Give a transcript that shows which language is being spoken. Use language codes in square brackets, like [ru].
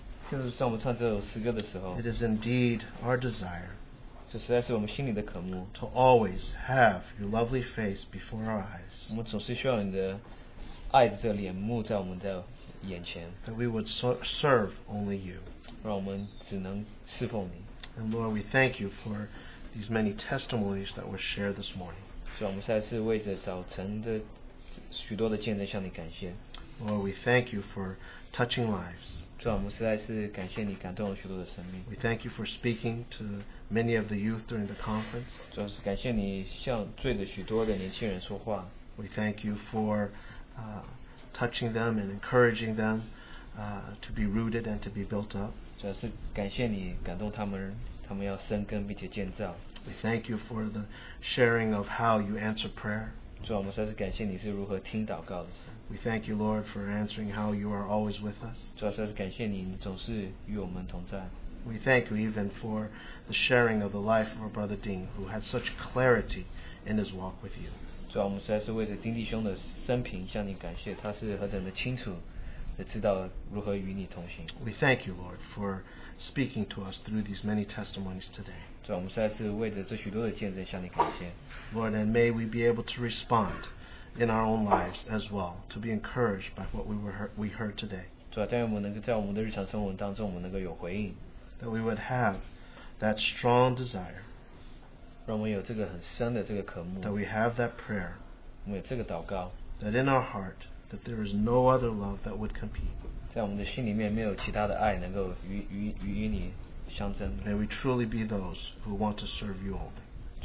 [zh] 就是当我们唱这首诗歌的时候, [en] it is indeed our desire, [zh] 这实在是我们心里的渴慕, [en] to always have your lovely face before our eyes. [zh] 我们总是需要你的爱的这个脸目在我们的眼前。 [en] That we would serve only you. [zh] 让我们只能侍奉你。 [en] And Lord, we thank you for these many testimonies that were shared this morning. [zh] 所以我们再次为着早晨的许多的见证向你感谢。 [en] Lord, we thank you for touching lives. [zh] 主啊，我们实在是感谢你感动了许多的生命。 [en] We thank you for speaking to many of the youth during the conference. [zh] 主啊，是感谢你向对着许多的年轻人说话。 [en] We thank you for touching them and encouraging them to be rooted and to be built up. [zh] 主啊，是感谢你感动他们，他们要生根并且建造。 [en] We thank you for the sharing of how you answer prayer. [zh] 主啊，我们实在是感谢你是如何听祷告的。 [en] We thank you, Lord, for answering how you are always with us. [zh] 主要是感谢你总是与我们同在。 [en] We thank you even for the sharing of the life of our brother Dean, who had such clarity in his walk with you. [zh] 主要我们实在是为着丁弟兄的生平向你感谢，他是何等的清楚的知道如何与你同行。 [en] We thank you, Lord, for speaking to us through these many testimonies today. [zh] 主要我们实在是为着这许多的见证向你感谢。 [en] Lord, and may we be able to respond in our own lives as well, to be encouraged by what we heard today. [zh] 主啊，但愿我们能够在我们的日常生活当中，我们能够有回应。 [en] That we would have that strong desire. [zh] 让我们有这个很深的这个渴慕。 [en] That we have that prayer. [zh] 我们有这个祷告。 [en] That in our heart, that there is no other love that would compete. [zh] 在我们的心里面没有其他的爱能够与你相争。 [en] May we truly be those who want to serve you only.